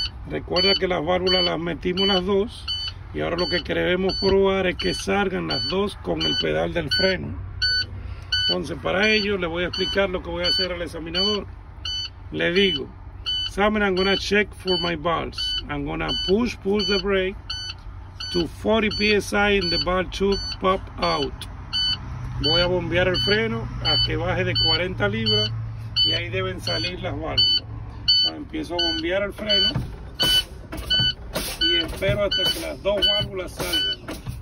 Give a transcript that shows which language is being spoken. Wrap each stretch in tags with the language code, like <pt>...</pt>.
<es>Recuerda que las válvulas las metimos las dos y ahora lo que queremos probar es que salgan las dos con el pedal del freno. Entonces para ello le voy a explicar lo que voy a hacer al examinador. Le digo,</es> <en>examiner, I'm gonna check for my valves. I'm gonna push the brake to 40 PSI and the valve should pop out.</en> <es>Voy a bombear el freno a que baje de 40 libras y ahí deben salir las válvulas. Empiezo a bombear el freno y espero hasta que las dos válvulas salgan.</es>